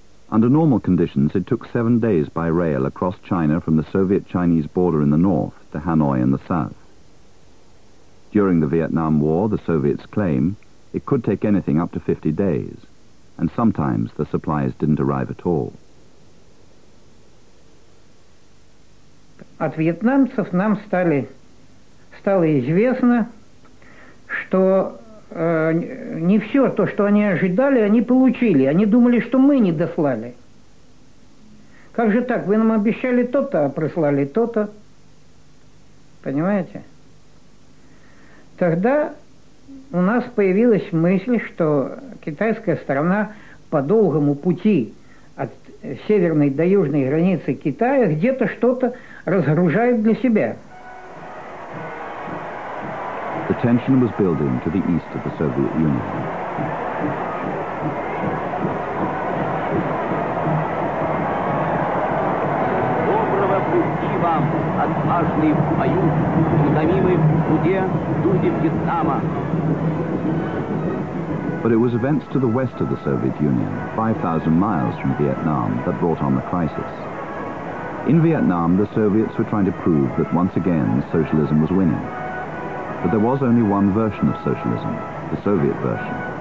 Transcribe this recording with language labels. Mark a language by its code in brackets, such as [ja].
[en] Under normal conditions, it took 7 days by rail across China from the Soviet-Chinese border in the north to Hanoi in the south. During the Vietnam War, the Soviets claim it could take anything up to 50 days, and sometimes the supplies didn't arrive at all. [ru] От вьетнамцев нам стало известно, что не все то, что они ожидали, они получили. Они думали, что мы не дослали. Как же так? Вы нам обещали то-то, а прислали то-то. Понимаете? Тогда у нас появилась мысль, что китайская сторона по долгому пути от северной до южной границы Китая где-то что-то разгружает для себя. [en] The tension was building to the east of the Soviet Union. [ru] Доброго пути вам, отважный в бою, утомимый в труде, люди Вьетнама. [en] But it was events to the west of the Soviet Union, 5,000 miles from Vietnam, that brought on the crisis. In Vietnam, the Soviets were trying to prove that once again, socialism was winning. But there was only one version of socialism, the Soviet version.